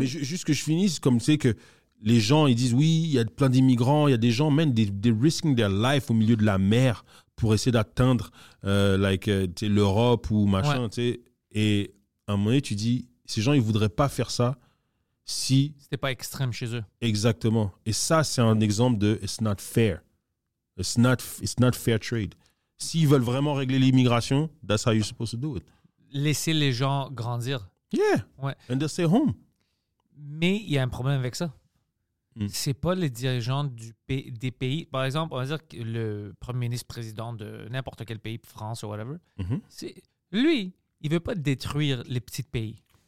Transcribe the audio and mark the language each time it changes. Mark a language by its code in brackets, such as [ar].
[fr] Mais juste que je finisse comme c'est que les gens ils disent oui il y a plein d'immigrants, il y a des gens même des [en] risking their life [fr] au milieu de la mer pour essayer d'atteindre l'Europe ou machin. Ouais. Tu sais, et à un moment donné tu dis ces gens ils voudraient pas faire ça. Si c'était pas extrême chez eux. Exactement. Et ça, c'est un exemple de « [en] it's not fair ». It's not fair trade. [fr] S'ils veulent vraiment régler l'immigration, [en] that's how you're supposed to do it. [fr] Laisser les gens grandir. [en] Yeah. [fr] Ouais. [en] And they stay home. [fr] Mais il y a un problème avec ça. Mm. Ce n'est pas les dirigeants des pays. Par exemple, on va dire que le premier ministre, président de n'importe quel pays, France ou whatever, mm-hmm. c'est, lui, il ne veut pas détruire les petits pays.